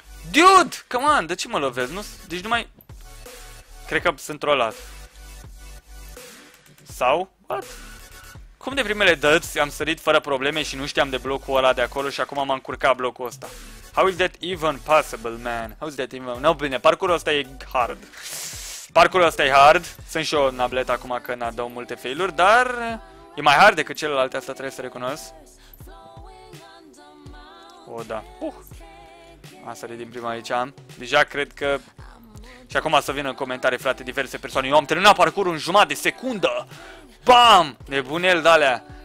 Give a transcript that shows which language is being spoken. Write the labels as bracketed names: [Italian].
[English] Dude! Come on, [Romanian] de ce mă lovesc? Nu... deci numai... cred că sunt trollat. Sau? [English] What? [Romanian] Cum de primele dăți am sărit fără probleme și nu știam de blocul ăla de acolo și acum m-am încurcat blocul ăsta. [English] How is that even possible, man? How is that even... [Romanian] no, bine, parcurul ăsta e hard. Parcurul ăsta e hard. Sunt și eu în tablet acum că n-adău multe failuri, dar... e mai hard decât celelalte, asta trebuie să recunosc. O, da. Am sărit din prima aici. Deja cred că... și acum să vină în comentarii, frate, diverse persoane. Eu am terminat parcurul în jumătate de secundă! BAM! Nebunel d-alea!